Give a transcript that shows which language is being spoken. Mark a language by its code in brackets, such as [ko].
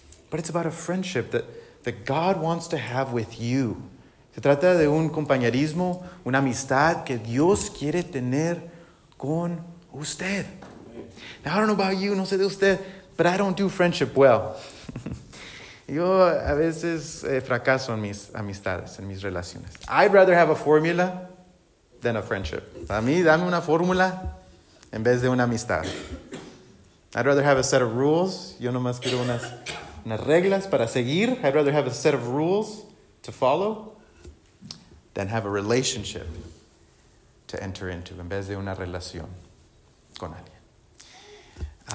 [en] But it's about a friendship that God wants to have with you. [es] Se trata de un compañerismo, una amistad que Dios quiere tener con usted. [en] Now, I don't know about you, [es] no sé de usted, [en] but I don't do friendship well. [es] Yo a veces fracaso en mis amistades, en mis relaciones. [en] I'd rather have a formula than a friendship. [es] A mí, dame una fórmula en vez de una amistad. [en] I'd rather have a set of rules. [es] Yo nomás quiero unas reglas para seguir. [en] I'd rather have a set of rules to follow than have a relationship to enter into, [es] en vez de una relación con alguien.